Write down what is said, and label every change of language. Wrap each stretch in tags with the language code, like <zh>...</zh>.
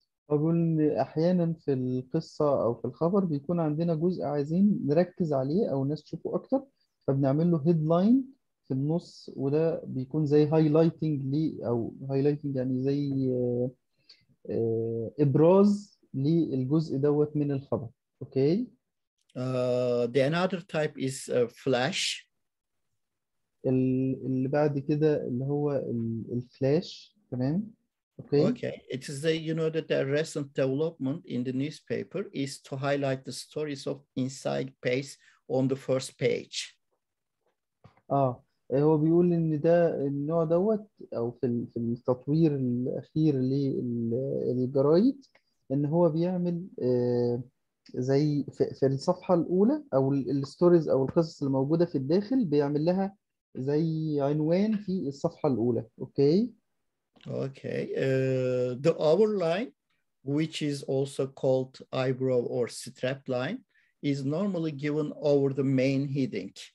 <ar>أقول إن أحياناً في القصة أو في الخبر بيكون عندنا جزء عايزين نركز عليه أو الناس تشوفه أكتر، فبنعمل له هيدلاين في النص، وده بيكون زي هايلايتنج لي، او هايلايتنج يعني زي ابراز للجزء دوت من الخبر. اوكي</ar> <en>The another type is a flash.</en> <ar>اللي بعد كده اللي هو الفلاش، تمام. اوكي</ar> <en>okay, it is the you know that the recent development in the newspaper is to highlight the stories of inside page on the first page.</en> <ar>هو بيقول ان ده النوع دوت، او في التطوير الاخير للجرايد، ان هو بيعمل زي في الصفحه الاولى، او الستوريز او القصص الموجوده في الداخل، بيعمل لها زي عنوان في الصفحه الاولى. اوكي</ar> <en>Okay, the overline, which is also called eyebrow or strap line, is normally given over the main heading.</en>